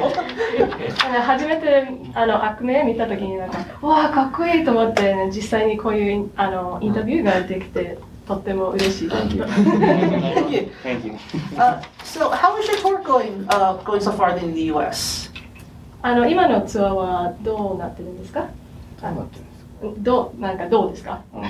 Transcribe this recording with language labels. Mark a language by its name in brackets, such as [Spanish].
[Japanese] 初めてあのアクメ見た時になんかわあかっこいいと思って、ね、実際にこういうあのインタビューができて、うん、とっても嬉しい。 [English] Thank you. Thank you. So how is your tour going going so far in the U.S.? [Japanese] あの今のツアーはどうなってるんですか？どうなんかどうですか？